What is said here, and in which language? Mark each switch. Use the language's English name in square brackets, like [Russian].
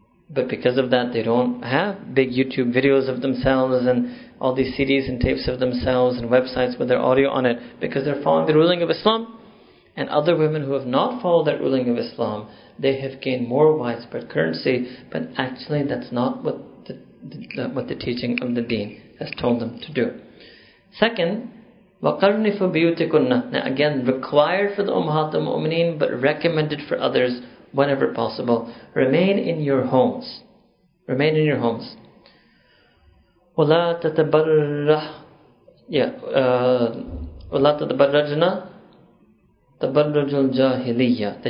[English] But because of that, they don't have big YouTube videos of themselves and all these CDs and tapes of themselves and websites with their audio on it, because they're following the ruling of Islam. and other women who have not followed that ruling of Islam, they have gained more widespread currency, but actually that's not what the teaching of the deen has told them to do. Second, [Arabic] وَقَرْنِ فَبِيُوتِكُنَّ. [English] Now again, required for the Ummahat al-Mu'mineen, but recommended for others whenever possible. Remain in your homes. Remain in your homes. [Arabic] وَلَا تَتَبَرَّجْنَا تَبَرَّجُ الْجَاهِلِيَّةِ.